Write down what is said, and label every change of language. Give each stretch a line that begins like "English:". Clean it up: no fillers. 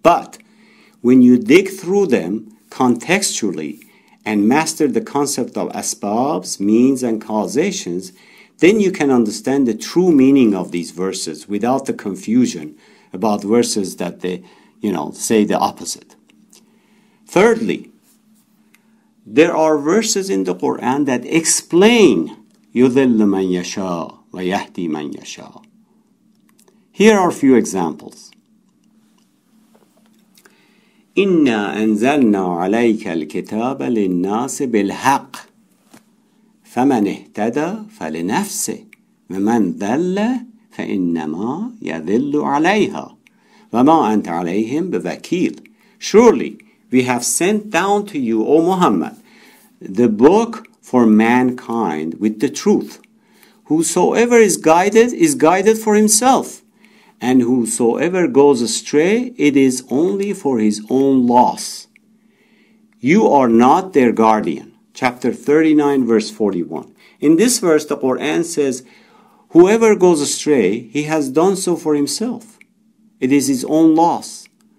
English: But when you dig through them contextually and master the concept of asbabs, means and causations, then you can understand the true meaning of these verses without the confusion about verses that they, you know, say the opposite. Thirdly, there are verses in the Quran that explain
Arabic: يُذِلُّ مَنْ يَشَاءُ وَيَهْدِي مَنْ يَشَاءُ
English: Here are a few examples.
Arabic: إِنَّا أَنزَلْنَا عَلَيْكَ الْكِتَابَ لِلنَّاسِ بِالْحَقِّ فَمَنْ اِهْتَدَى فَلِنَفْسِهِ وَمَنْ ذَلَّ فَإِنَّمَا يَذِلُّ عَلَيْهَا وَمَا أَنْتَ عَلَيْهِمْ بِوَكِيلٍ
English: Surely, we have sent down to you, O Muhammad, the book for mankind with the truth. Whosoever is guided for himself. And whosoever goes astray, it is only for his own loss. You are not their guardian. Chapter 39, verse 41. In this verse, the Quran says, Whoever goes astray, he has done so for himself. It is his own loss.